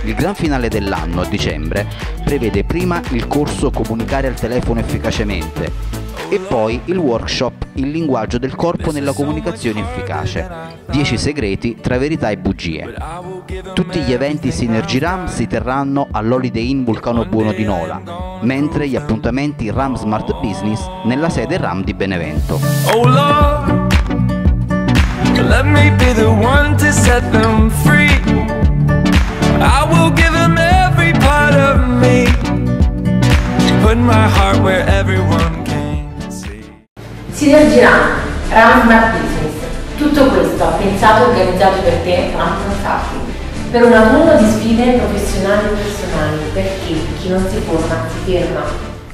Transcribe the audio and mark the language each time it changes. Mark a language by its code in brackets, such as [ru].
[it] Il gran finale dell'anno, a dicembre, prevede prima il corso Comunicare al telefono efficacemente e poi il workshop Il linguaggio del corpo nella comunicazione efficace, 10 segreti tra verità e bugie. Tutti gli eventi Synergy RAM si terranno all'Holiday Inn Vulcano Buono di Nola, mentre gli appuntamenti RAM Smart Business nella sede RAM di Benevento. [en] Oh Lord, let me be the one to set them free. I will give them every part of me. Put my heart where everyone can see. [it] Synergy RAM, RAM Smart Business. Tutto questo pensato e organizzato per te, RAM Consulting. Per un autunno di sfide professionali e personali, per chi non si forma, si ferma.